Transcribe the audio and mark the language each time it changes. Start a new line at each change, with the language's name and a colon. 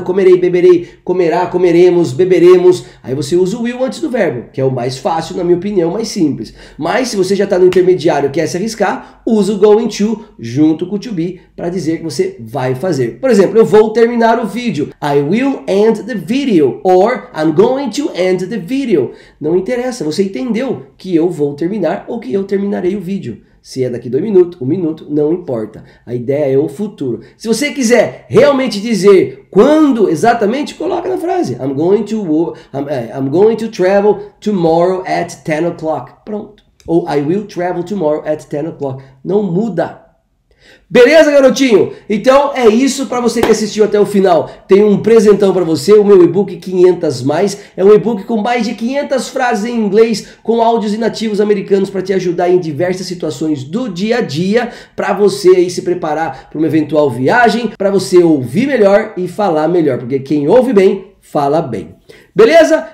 Portuguese: Comerei, beberei, comerá, comeremos, beberemos. Aí você usa o Will antes do verbo, que é o mais fácil, na minha opinião, mais simples. Mas se você já está no intermediário e quer se arriscar, usa o Going To junto com o To Be para dizer que você vai fazer. Por exemplo, eu vou terminar o vídeo.
English: I will end the video. Or, I'm going to end the video.
Portuguese: Não interessa, você entendeu que eu vou terminar ou que eu terminarei o vídeo. Se é daqui 2 minutos, 1 minuto, não importa. A ideia é o futuro. Se você quiser realmente dizer quando exatamente, coloca na frase.
English: I'm going to travel tomorrow at 10 o'clock.
Portuguese: Pronto.
English: Ou I will travel tomorrow at 10 o'clock.
Portuguese: Não muda. Beleza, garotinho? Então é isso para você que assistiu até o final. Tem um presentão para você, o meu e-book 500+. É um e-book com mais de 500 frases em inglês, com áudios e nativos americanos para te ajudar em diversas situações do dia a dia, para você aí se preparar para uma eventual viagem, para você ouvir melhor e falar melhor, porque quem ouve bem, fala bem. Beleza?